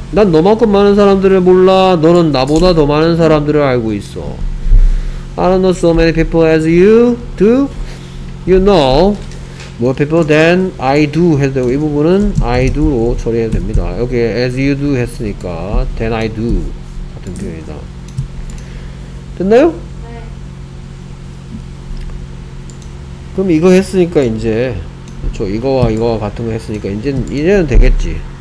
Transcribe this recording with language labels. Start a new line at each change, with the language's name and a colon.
Korean: 난 너만큼 많은 사람들을 몰라. 너는 나보다 더 많은 사람들을 알고 있어.
English: I don't know so many people as you do. You know more people than I do.
Korean: 해도 되고 이 부분은 I do로 처리해야 됩니다. 여기
English: as you do
Korean: 했으니까
English: than I do
Korean: 같은 표현이다. 됐나요? 그럼 이거 했으니까 이제 그렇죠. 이거와 이거와 같은 거 했으니까 이제는 되겠지.